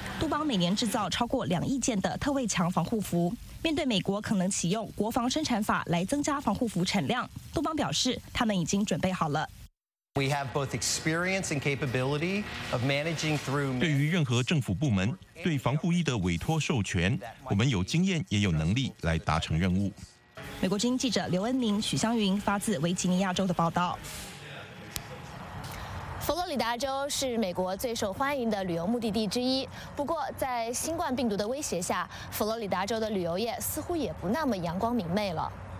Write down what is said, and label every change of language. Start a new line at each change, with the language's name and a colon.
Chinese: 杜邦每年制造超过2亿件的特卫强防护服。面对美国可能启用国防生产法来增加防护服产量，杜邦表示他们已经准备好了。
English: We have both experience and capability of managing through.
Chinese: 对于任何政府部门对防护衣的委托授权，我们有经验也有能力来达成任务。美国之音记者刘恩宁、许湘云发自维吉尼亚州的报道。佛罗里达州是美国最受欢迎的旅游目的地之一，不过在新冠病毒的威胁下，佛罗里达州的旅游业似乎也不那么阳光明媚了。